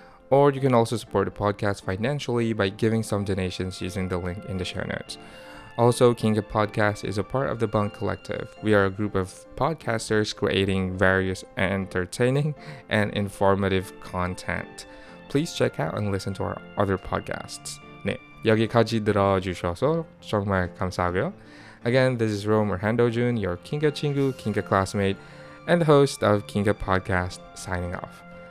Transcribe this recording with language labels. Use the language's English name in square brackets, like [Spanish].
[English] Or you can also support the podcast financially by giving some donations using the link in the show notes. Also, King of Podcast is a part of the Bunk Collective. We are a group of podcasters creating various entertaining and informative content. Please check out and listen to our other podcasts. [Korean] 네, 여기까지 들어주셔서 정말 감사하고요. [English] Again, this is Romer Handojun, your Kinga 친구, Kinga classmate, and the host of Kinga Podcast, signing off.